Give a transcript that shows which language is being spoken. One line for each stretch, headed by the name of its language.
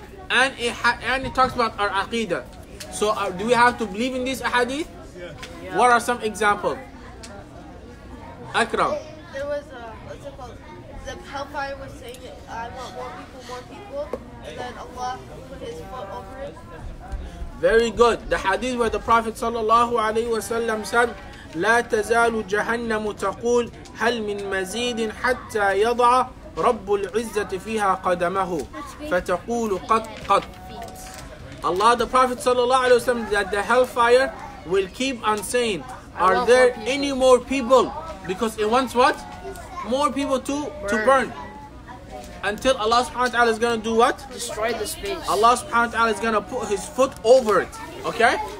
English: And it talks about our Aqeedah. So do we have to believe in this hadith? Yeah. What are some examples? Akram. There was what's it called? The Hellfire was saying, I want more people. And then Allah put his foot over it. Very good. The hadith where the Prophet sallallahu alayhi wa sallam said,
Arabic: لا تزال جهنم تقول هل من مزيد حتى يضع رب العزة فيها قدمه فتقول قط قط.
English: Allah, the Prophet sallallahu alaihi wasallam, that the hellfire will keep on saying, are there any more people? Because it wants what? More people to burn. Until Allah subhanahu wa ta'ala is going to do what? Destroy the space. Allah subhanahu wa ta'ala is going to put his foot over it. Okay?